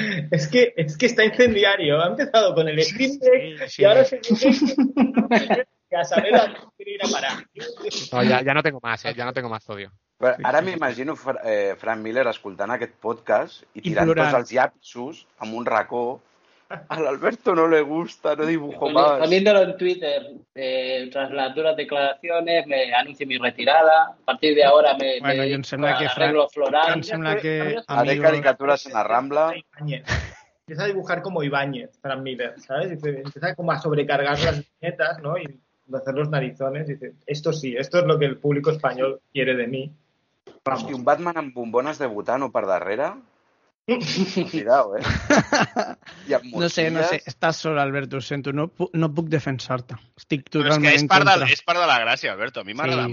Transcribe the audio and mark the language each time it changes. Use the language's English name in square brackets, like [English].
[Spanish] Es que está incendiario. Ha empezado con el Steam Deck y ahora se dice a saber a dónde ir a parar. No, ya no tengo más, ya no tengo más odio. [Catalan] Però ara m'imagino Frank Miller escoltant aquest podcast i tirant tots els llapsos amb un racó. [Spanish] A l'Alberto no le gusta, no dibujo bueno, más. Poniéndolo en Twitter, tras las duras declaraciones, me anuncio mi retirada. A partir de ahora me arreglo floral. Haré caricaturas en la Rambla. Empieza a dibujar como Ibáñez, Frank Miller, ¿sabes? Empieza como a sobrecargar las viñetas, ¿no? Y hacer los narizones. Y dice, esto sí, esto es lo que el público español quiere de mí. Vamos. [Catalan] Hosti, un Batman amb bombones de butano per darrere... [Spanish] Cuidado, ¿eh? No sé, estás solo, Alberto, lo siento, [Catalan] no puc defensar-te. Estic totalment en contra. Però és que és part de la gràcia, Alberto, a mi m'agrada sí.